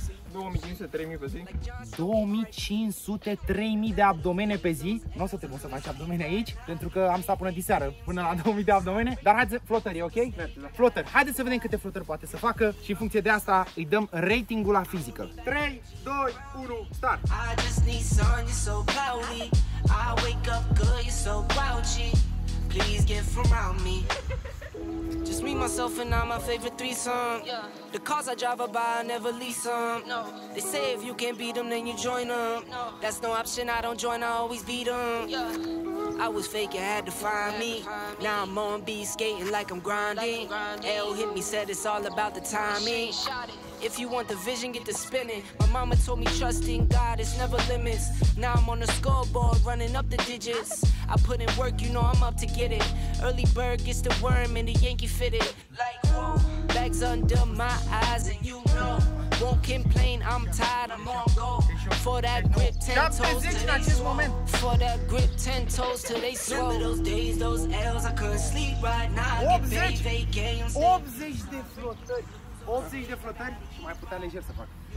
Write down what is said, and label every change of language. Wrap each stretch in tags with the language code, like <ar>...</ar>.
<ro>2500-3000 pe zi. 2500-3000 de abdomene pe zi. Nu o să trebuie să faci abdomene aici, pentru că am stat până diseară, până la 2000 de abdomene. Dar haideți, flutări, ok? Da, da. Flutări. Haideți să vedem câte flutări poate să facă și în funcție de asta îi dăm ratingul la fizică. 3, 2, 1, start!</ro> <en>I just need sun, so cloudy. I wake up good, you're so grouchy. Please get from around me. Just me, myself, and I, my favorite threesome. Yeah. The cars I drive, I buy, I never lease them. No. They say if you can't beat them, then you join them. No. That's no option, I don't join, I always beat them. Yeah. I was fake, you had to find me. Now I'm on B, skating like I'm grinding. L hit me, said it's all about the timing. If you want the vision, get to spinning. My mama told me trust in God, it's never limits. Now I'm on the scoreboard, running up the digits. I put in work, you know I'm up to get it. Early bird gets the worm and the Yankee fitted. Like, whoa, bags under my eyes and you know. Won't complain, I'm tired, I'm on go. For that grip, 10 toes till they swole. For that grip, 10 toes till they swole. Remember those days, those L's, I couldn't sleep right now. I get paid, they games.</en> <ro>80 de flotări. 80 de flotări și mai putea lejer să facă.</ro>